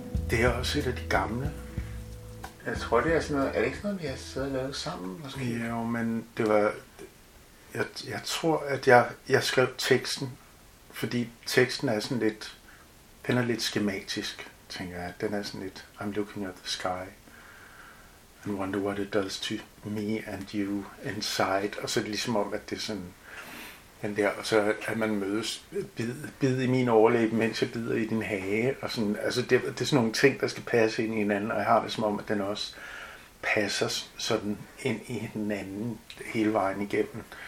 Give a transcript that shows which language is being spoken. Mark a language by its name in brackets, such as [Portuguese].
[Danish] Det er også et af de gamle. Jeg tror, det er sådan noget. Er det ikke sådan noget, vi har siddet og lavet sammen? Måske? Jo, men det var. Jeg tror, at jeg skrev teksten, fordi teksten er sådan lidt. Den er lidt skematisk, tænker jeg. Den er sådan lidt. [English] I'm looking at the sky and wonder what it does to me and you inside. [Danish] Og så er det ligesom om, at det er sådan. Der, og så at man mødes bid i min overlæb, mens jeg bider i din hage, og sådan, altså det er sådan nogle ting, der skal passe ind i hinanden, og jeg har det som om, at den også passer sådan ind i hinanden hele vejen igennem.